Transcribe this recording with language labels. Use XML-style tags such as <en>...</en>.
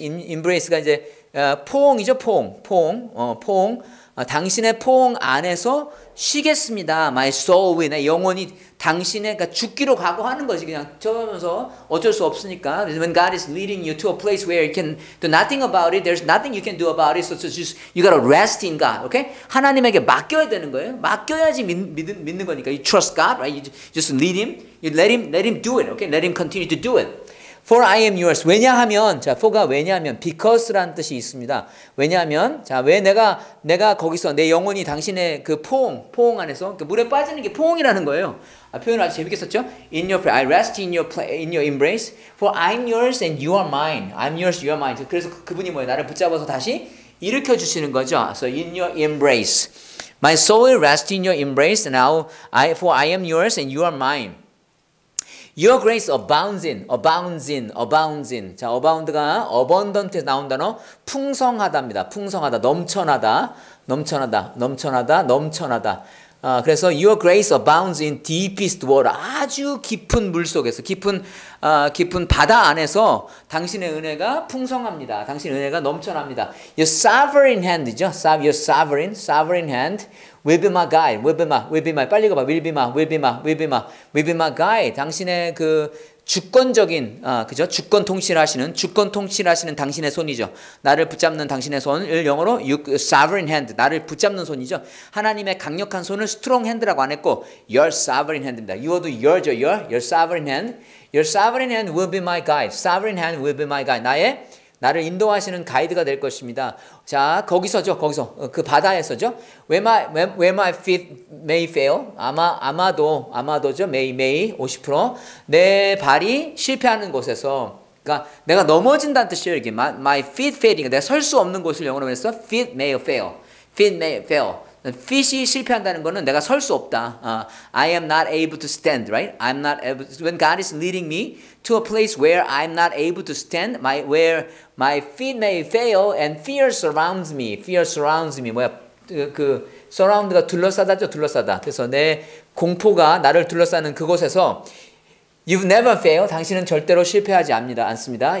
<ko>Embrace가 이제 포옹이죠. 포옹. 포옹. 포옹. 당신의 포옹 안에서 쉬겠습니다.</ko> <en>My soul will.</en> <ko>내 영혼이 당신의, 그러니까 죽기로 각오하는 거지. 그냥 저러면서 어쩔 수 없으니까.</ko> <en>When God is leading you to a place where you can do nothing about it, there's nothing you can do about it. So just, you gotta rest in God. Okay?</en> <ko>하나님에게 맡겨야 되는 거예요. 맡겨야지 믿는 거니까.</ko> <en>You trust God, right? You just lead him. You let him do it. Okay? Let him continue to do it. For I am yours.</en> <ko>왜냐하면, 자, for가 왜냐하면, because라는 뜻이 있습니다. 왜냐하면, 자, 왜 내가 거기서 내 영혼이 당신의 그 포옹 안에서, 그 물에 빠지는 게 포옹이라는 거예요. 아, 표현 아주 재밌게 썼죠?</ko> <en>In your prayer, I rest in your play, in your embrace. For I'm yours and you are mine. I'm yours, you are mine.</en> <ko>그래서 그분이 뭐예요? 나를 붙잡아서 다시 일으켜 주시는 거죠.</ko> <en>So in your embrace. My soul will rest in your embrace. Now, for I am yours and you are mine. Your grace abounds in, abounds in, abounds in.</en> <ko>자, abound가 abundant에서 나온 단어, 풍성하다입니다. 풍성하다, 넘쳐나다, 넘쳐나다, 넘쳐나다, 넘쳐나다. 아, 그래서</ko> <en>your grace abounds in deepest water.</en> <ko>아주 깊은 물 속에서, 깊은 바다 안에서 당신의 은혜가 풍성합니다. 당신의 은혜가 넘쳐납니다.</ko> <en>Your sovereign hand이죠. Your sovereign hand. Will be my guide. Will be my.</en> <ko>빨리 읽어봐.</ko> <en>Will be my guide.</en> <ko>당신의 그 주권적인, 그죠? 주권 통치를 하시는 당신의 손이죠. 나를 붙잡는 당신의 손을 영어로 sovereign hand. 나를 붙잡는 손이죠. 하나님의 강력한 손을</ko> <en>strong hand</en> <ko>라고 안 했고,</ko> <en>your sovereign hand</en> <ko>입니다. You어도 your죠.</ko> <en>Your sovereign hand. Your sovereign hand will be my guide. Sovereign hand will be my guide.</en> <ko>나를 인도하시는 가이드가 될 것입니다. 자, 거기서 그 바다에서죠.</ko> <en>Where my feet may fail.</en> <ko>아마도죠.</ko> <en>May 50%.</en> <ko>내 발이 실패하는 곳에서. 그러니까 내가 넘어진다는 뜻이에요.</ko> <en>이게 my feet failing.</en> <ko>내가 설 수 없는 곳을 영어로 해서</ko> <en>feet may fail. Feet may fail.</en> <ko>Feet이 실패한다는 거는 내가 설 수 없다.</ko> <en>I am not able to stand, right? I'm not able to, when God is leading me to a place where I'm not able to stand, where my feet may fail and fear surrounds me. Fear surrounds me.</en> <ko>뭐야? 그 surround가 둘러싸다죠. 둘러싸다. 그래서 내 공포가 나를 둘러싸는 그곳에서</ko> <en>you've never failed.</en> <ko>당신은 절대로 실패하지 않습니다.</ko>